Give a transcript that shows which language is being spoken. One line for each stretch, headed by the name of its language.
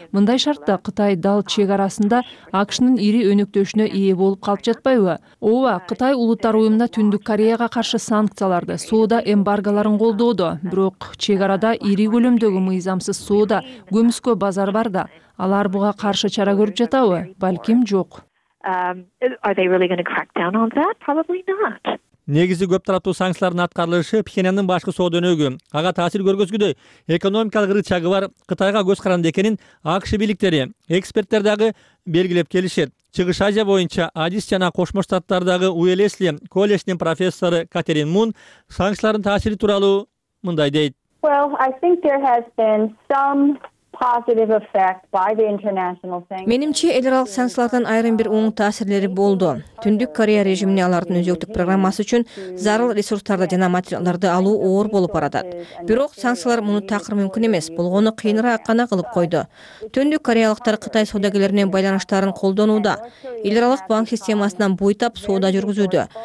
Kyrgyz: Мындай шартта Кытай дал чек арасында АКШнын ири өнөктөшүнө ээ болуп калып жатпайбы? Ооба, Кытай улуттар уюмунда Түндүк Кореяга каршы санкцияларды, соода эмбарголорун колдоодо. Бирок чек арада ири көлөмдөгү мыйзамсыз соода, көмүскө базар бар да. Алар буга каршы чара көрүп жатабы? Балким жок.
English: Are they really going to crack down on that? Probably not.
Kyrgyz: Негизи көп тараптуу санкциялардын аткарылышы Пхеньяндын башкы соода өнөгү, ага таасир көргөзгүдөй экономикалык рычагы бар Кытайга көз каранды экенин АКШ бийликтери, эксперттер дагы белгилеп келишет. Чыгыш Азия боюнча Адис жана Кошмо Штаттардагы Уэлесли коллежинин профессору Катерин Мун санкциялардын таасири тууралуу мындай дейт.
English: Well, I think there has been some positive effect by the international sanctions.
Kyrgyz: Менимче эл аралык санкциялардан айрым бир оң таасирлери болду. Түндүк Корея режимине алардын өзөктүк программасы үчүн зарыл ресурстарды жана материалдарды алуу оор болуп баратат. Бирок санкциялар муну такыр мүмкүн эмес, болгону кыйыныраак гана кылып койду. Түндүк кореялыктар Кытай соодагерлери менен байланыштарын колдонууда, эл аралык банк системасынан буйтап соода жүргүзүүдө.